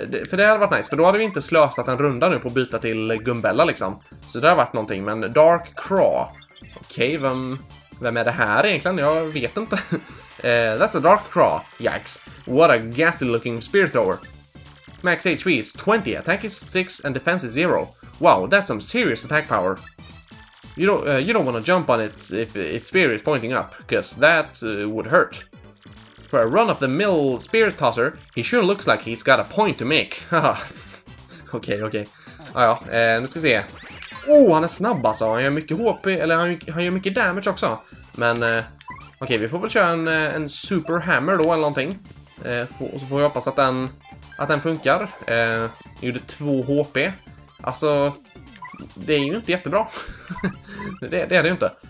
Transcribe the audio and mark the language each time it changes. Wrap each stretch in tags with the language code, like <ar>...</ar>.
<sv>För det hade varit nice, för då hade vi inte slösat en runda nu på att byta till Gumbella liksom. Så det har varit någonting, men Dark Craw. Okej, vem är det här egentligen? Jag vet inte.</sv> <en>that's a dark craw. Yikes. What a ghastly looking spear thrower. Max HP is 20, attack is 6 and defense is 0. Wow, that's some serious attack power. You don't want to jump on it if its spear is pointing up, because that would hurt. For a run-of-the-mill spear tosser, he sure looks like he's got a point to make.</en> <sv>Okej. Ja, nu ska vi se. Oh, han är snabb alltså. Han gör mycket HP, eller han gör mycket damage också. Men, okej, vi får väl köra en super hammer då, eller någonting. Och så får vi hoppas att den funkar. Jag gjorde 2 HP. Alltså, det är ju inte jättebra. det är det ju inte.</sv>